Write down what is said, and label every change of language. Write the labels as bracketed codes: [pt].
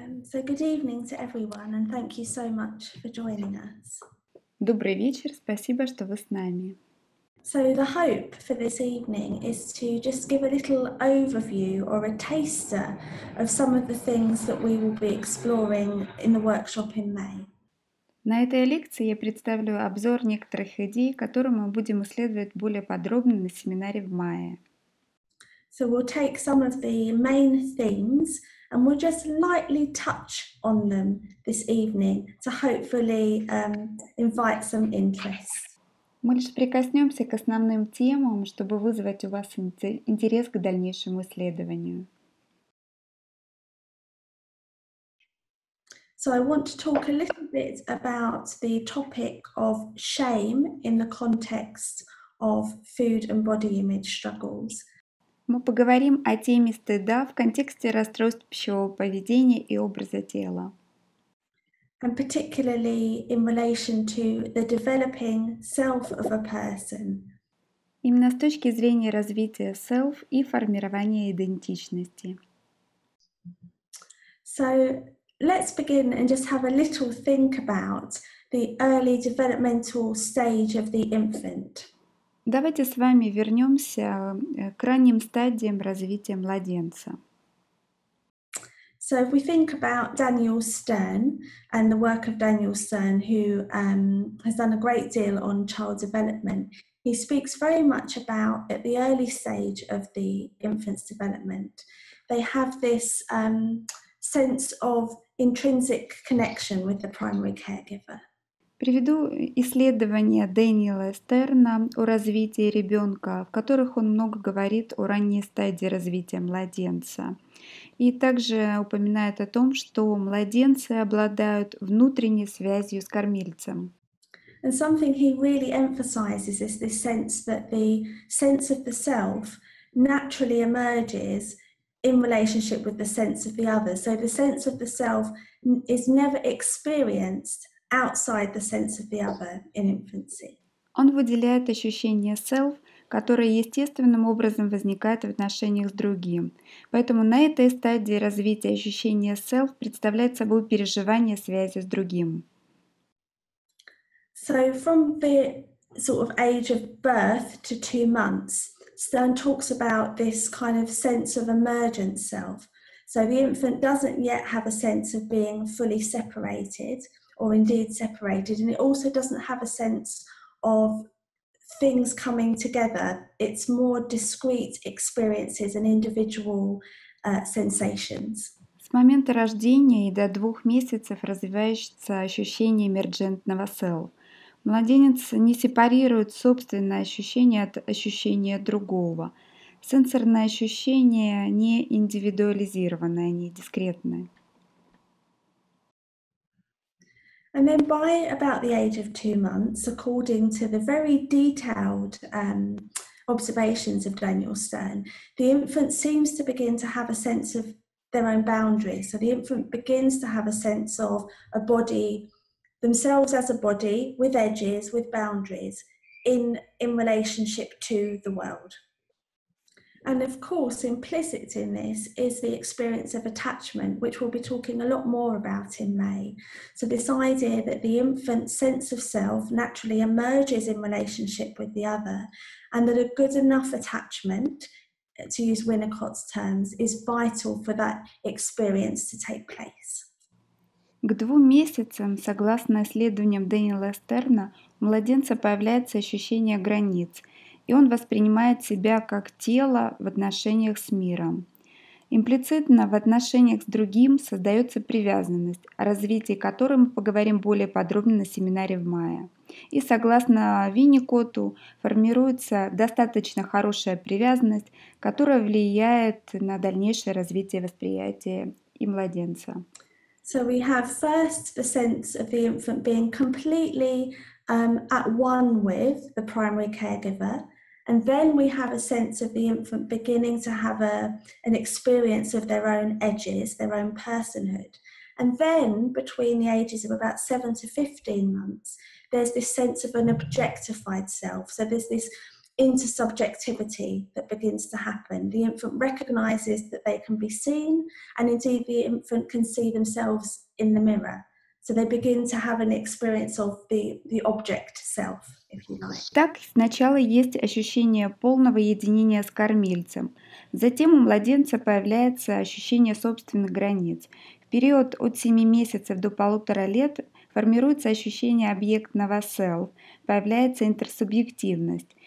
[en] So, good evening to everyone, and thank you so much for joining us. [ru] Добрый вечер, спасибо, что вы с нами. [en] So the hope for this evening is to just give a little overview or a taster of some of the things that we will be exploring in the workshop in May. [ru] На этой лекции я представлю обзор некоторых идей, которые мы будем исследовать более подробно на семинаре в мае. [en] So we'll take some of the main themes and we'll just lightly touch on them this evening to hopefully invite some interest. [ru] Мы лишь прикоснемся к основным темам, чтобы вызвать у вас интерес к дальнейшему исследованию. [en] So I want to talk a little bit about the topic of shame in the context of food and body image struggles. [ru] Мы поговорим о теме стыда в контексте расстройств пищевого поведения и образа тела. [en] And particularly in relation to the developing self of a person. [ru] Именно с точки зрения развития self и формирования идентичности. [en] So let's begin and just have a little think about the early developmental stage of the infant. [ru] Давайте с вами вернемся к ранним стадиям развития младенца. [en] So if we think about Daniel Stern and the work of Daniel Stern, who has done a great deal on child development, he speaks very much about at the early stage of the infant's development, they have this sense of intrinsic connection with the primary caregiver. [ru] Приведу исследования Дэниела Стерна о развитии ребенка, в которых он много говорит о ранней стадии развития младенца. И также упоминает о том, что младенцы обладают внутренней связью с кормильцем. [en] And something he really emphasizes is this sense that the sense of the self naturally emerges in relationship with the sense of the other. So the sense of the self is never experienced outside the sense of the other in infancy. [ru] Он выделяет ощущение self, которое естественным образом возникает в отношениях с другим. Поэтому на этой стадии развития ощущение self представляет собой переживание связи с другим. [en] So from the sort of age of birth to 2 months, Stern talks about this kind of sense of emergent self. So the infant doesn't yet have a sense of being fully separated, or indeed separated, and it also doesn't have a sense of things coming together. It's more discrete experiences and individual sensations. [ru] С момента рождения и до 2 месяцев развивается ощущение эмерджентного self. Младенец не сепарирует собственное ощущение от ощущения другого. Сенсорное ощущение не индивидуализированное, не дискретное. [en] And then by about the age of 2 months, according to the very detailed observations of Daniel Stern, the infant seems to begin to have a sense of their own boundaries. So the infant begins to have a sense of a body, themselves as a body, with edges, with boundaries, in relationship to the world. And of course, implicit in this is the experience of attachment, which we'll be talking a lot more about in May. So this idea that the infant's sense of self naturally emerges in relationship with the other, and that a good enough attachment, to use Winnicott's terms, is vital for that experience to take place. [ru] К двум месяцам, согласно исследованиям Дэниела Стерна, у младенца появляется ощущение границ, и он воспринимает себя как тело в отношениях с миром. Имплицитно в отношениях с другим создается привязанность, о развитии которой мы поговорим более подробно на семинаре в мае. И согласно Винникоту, формируется достаточно хорошая привязанность, которая влияет на дальнейшее развитие восприятия и младенца. [en] So we have first the sense of the infant being completely at one with the primary caregiver, and then we have a sense of the infant beginning to have an experience of their own edges, their own personhood. And then between the ages of about 7 to 15 months, there's this sense of an objectified self. So there's this intersubjectivity that begins to happen. The infant recognizes that they can be seen, and indeed the infant can see themselves in the mirror. So they begin to have an experience of the object self, if you like. [ru] Так, сначала есть ощущение полного единения с кормильцем. Затем у младенца появляется ощущение собственных границ. В период от 7 месяцев до 1,5 лет формируется ощущение объектного self, появляется интерсубъективность.